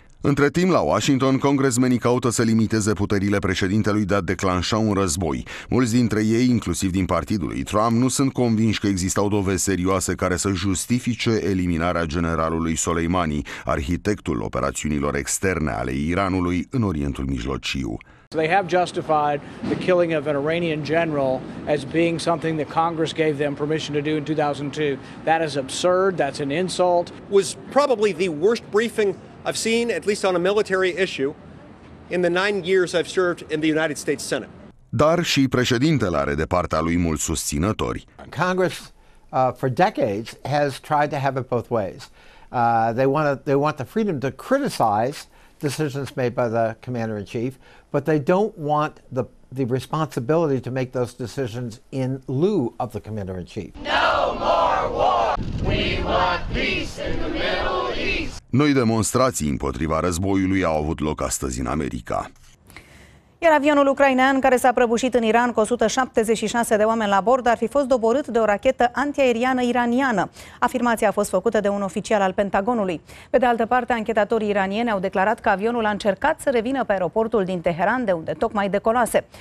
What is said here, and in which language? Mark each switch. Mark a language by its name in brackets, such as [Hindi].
[Romanian] Între timp, la Washington, congresmenii caută să limiteze puterile președintelui de a declanșa un război. Mulți dintre ei, inclusiv din partidul lui Trump, nu sunt convinși că existau dovezi serioase care să justifice eliminarea generalului Soleimani, arhitectul operațiunilor externe ale Iranului în Orientul Mijlociu. [English] They have justified the killing of an Iranian general as being something that Congress gave them permission to do in 2002. That is absurd, that's an insult. Was probably the worst briefing I've seen, at least on a military issue, in the 9 years I've served in the United States Senate. [Romanian] Dar și președintele are de partea lui mulți susținători. [English] Congress, for decades, has tried to have it both ways. They want the freedom to criticize decisions made by the commander-in-chief, but they don't want the responsibility to make those decisions in lieu of the commander-in-chief. No more war! We want peace in the Middle East! [Romanian] Noi demonstrații împotriva războiului au avut loc astăzi în America. Iar avionul ucrainean care s-a prăbușit în Iran cu 176 de oameni la bord ar fi fost doborât de o rachetă antiaeriană iraniană. Afirmația a fost făcută de un oficial al Pentagonului. Pe de altă parte, anchetatorii iranieni au declarat că avionul a încercat să revină pe aeroportul din Teheran, de unde tocmai decolase.